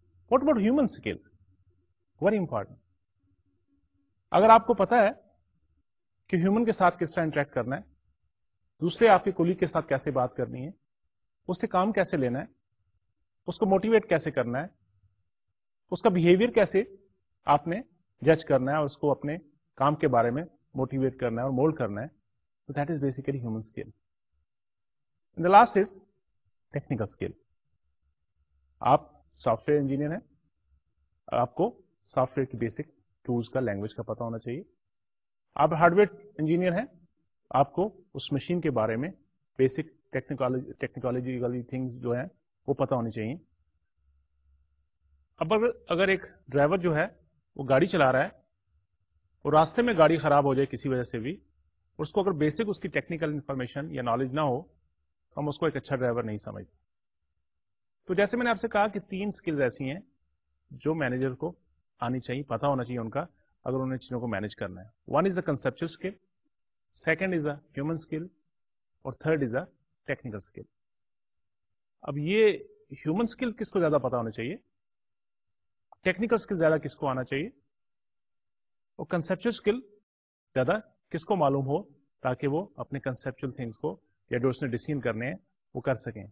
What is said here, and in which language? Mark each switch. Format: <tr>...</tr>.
<en>What about human skill? Very important.</en> <ur>اگر آپ کو پتا ہے کہ ہیومن کے ساتھ کس طرح انٹریکٹ کرنا ہے, دوسرے آپ کے کولیگ کے ساتھ کیسے بات کرنی ہے, اس سے کام کیسے لینا ہے, اس کو موٹیویٹ کیسے کرنا ہے, اس کا بیہیویئر کیسے آپ نے جج کرنا ہے, اور اس کو اپنے کام کے بارے میں موٹیویٹ کرنا ہے اور مولڈ کرنا ہے,</ur> <en>تو that is basically human skill. And the last is technical skill.</en> <ur>آپ سافٹ ویئر انجینئر ہیں, آپ کو سافٹ ویئر کی بیسک ٹولس کا, لینگویج کا پتا ہونا چاہیے. آپ ہارڈ ویئر انجینئر ہیں, آپ کو اس مشین کے بارے میں بیسک ٹیکنیکالوجی والی تھنگس جو ہیں وہ پتا ہونی چاہیے. اب اگر ایک ڈرائیور جو ہے وہ گاڑی چلا رہا ہے, اور راستے میں گاڑی خراب ہو جائے کسی وجہ سے بھی, اور اس کو اگر بیسک اس کی ٹیکنیکل انفارمیشن یا نالج نہ ہو, تو ہم اس کو ایک اچھا ڈرائیور نہیں سمجھتے. تو جیسے میں نے آپ سے کہا کہ تین اسکلز ایسی ہیں جو مینیجر کو آنی چاہیے, پتا ہونا چاہیے ان کا, اگر انہیں چیزوں کو مینیج کرنا ہے.</ur> <en>One is a conceptual skill, second is a human skill, اور third is a technical skill.</en> <ur>اب یہ ہیومن اسکل کس کو زیادہ پتا ہونا چاہیے, ٹیکنیکل اسکل زیادہ کس کو آنا چاہیے, اور کنسیپچوئل اسکل زیادہ کس کو معلوم ہو تاکہ وہ اپنے کنسیپچوئل تھنگس کو یا جو اس نے ڈیسیژن کرنے ہیں وہ کر سکیں.</ur>